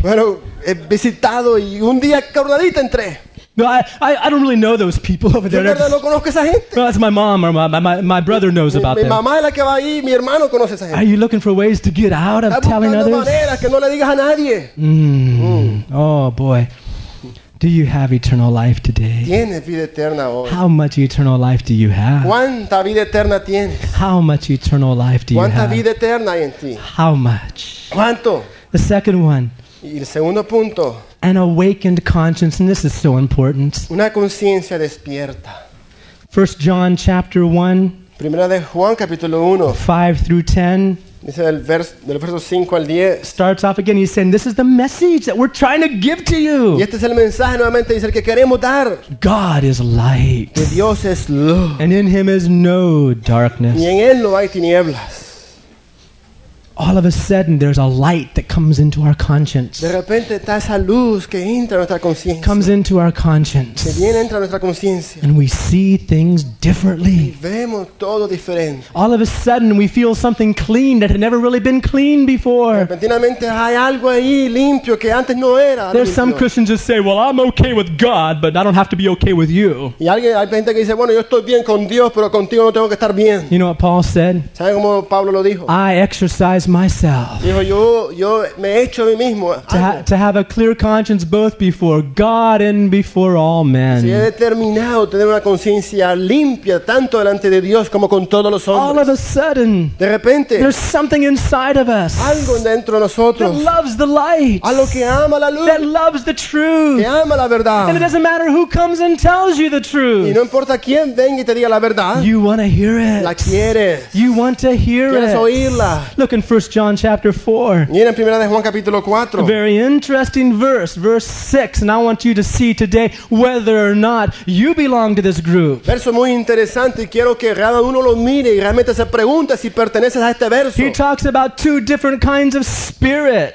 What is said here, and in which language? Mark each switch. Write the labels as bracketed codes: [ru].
[es] Bueno, he visitado y un día coronadita entré. [en] No, I don't really know those people over there. [es] Yo no conozco esa gente. [en] No, that's my mom or my brother knows about them. [es] Mi mamá es la que va ahí, mi hermano conoce esa gente. [en] Are you looking for ways to get out of telling others? [es] Estás buscando maneras que no le digas a nadie. [en] Oh boy. Do you have eternal life today? [es] ¿Tienes vida eterna hoy? [en] How much eternal life do you have? [es] ¿Cuánta vida eterna tienes? [en] How much eternal life do you [es] ¿Cuánta [en] have? [es] Vida eterna hay en ti? [en] How much? [es] ¿Cuánto? [en] The second one. [es] Y el segundo punto. [en] An awakened conscience, and this is so important. [es] Una conciencia despierta. [en] 1 John chapter 1. [es] Primera de Juan capítulo 1. [en] 5 through 10. [es] Dice del verso 5 al 10. [en] Starts off again. He's saying, "This is the message that we're trying to give to you." [es] Y este es el mensaje nuevamente. Dice el que queremos dar. [en] God is light. [es] Que Dios es luz. [en] And in Him is no darkness. [es] Y en él no hay tinieblas. [en] All of a sudden, there's a light that comes into our conscience. [es] De repente está esa luz que entra a nuestra conciencia. [en] Comes into our conscience. [es] Que viene, entra a nuestra conciencia. [en] And we see things differently. [es] Y vemos todo diferente. [en] All of a sudden, we feel something clean that had never really been clean before. [es] Repentinamente hay algo ahí limpio que antes no era. [en] There's Some Christians just say, "Well, I'm okay with God, but I don't have to be okay with you." [es] Y hay gente que dice, "Bueno, yo estoy bien con Dios, pero contigo no tengo que estar bien." [en] You know what Paul said? [es] ¿Sabes cómo Pablo lo dijo? [en] I exercise myself to have a clear conscience both before God and before all men. [es] Si he determinado tener una conciencia limpia tanto delante de Dios como con todos los hombres. [en] All of a sudden, [es] de repente, [en] there's something inside of us, [es] algo dentro de nosotros, [en] that loves the light, [es] algo que ama la luz, [en] that loves the truth, [es] que ama la verdad. [en] And it doesn't matter who comes and tells you the truth. [es] Y no importa quién venga y te diga la verdad. [en] You want to hear it. [es] La quieres. [en] You want to hear [es] quieres [en] it. [es] Oírla. [en] Look in 1 John chapter 4. [es] Mira en Primera de Juan capítulo 4. [en] A very interesting verse 6, and I want you to see today whether or not you belong to this group. [es] Verso muy interesante y quiero que cada uno lo mire y realmente se pregunte si perteneces a este verso. [en] He talks about two different kinds of spirits.